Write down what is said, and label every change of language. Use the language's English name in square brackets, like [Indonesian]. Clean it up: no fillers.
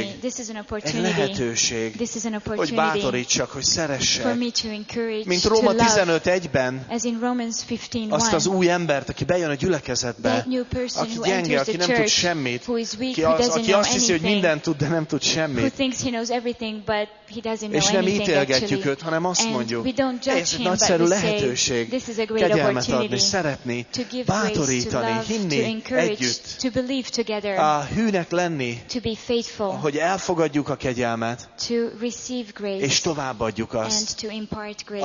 [English] Gave this to me. This is an opportunity. [Hungarian] Egy lehetőség. [English] This is an opportunity. [Hungarian] Hogy bátorítsak, hogy szeressek. [English] For me to encourage, [Hungarian] mint Róma 15:1-ben, [English] as in Romans 15:1, [Hungarian] azt az új embert, aki bejön a gyülekezetbe, [English] that new person [Hungarian] aki [English] who [Hungarian] gyenge, [English] enters [Hungarian] aki [English] the church, [Hungarian] nem tud semmit, [English] who is weak, [Hungarian] aki [English] who doesn't [Hungarian] aki [English] know [Hungarian] azt [English] anything, [Hungarian] hiszi, hogy mindent tud, de nem tud semmit, [English] who thinks he knows everything, but he doesn't know [Hungarian] és nem [English] anything, [Hungarian] ítélgetjük [English] actually, [Hungarian] őt, hanem azt [English] and [Hungarian] mondjuk, [English] we don't judge [Hungarian] ez [English] him, [Hungarian] egy nagyszerű lehetőség, [English] this is a great [Hungarian] kegyelmet adni, szeretni, [English] to give [Hungarian] bátorítani, [English] to love, [Hungarian] hinni, [English] to encourage, [Hungarian] együtt, [English] to believe together, [Hungarian] hűnek lenni, [English] to be faithful, [Hungarian] hogy elfogadjuk a kegyelmet, [English] to receive grace, [Hungarian] és továbbadjuk azt. [English] And to impart grace.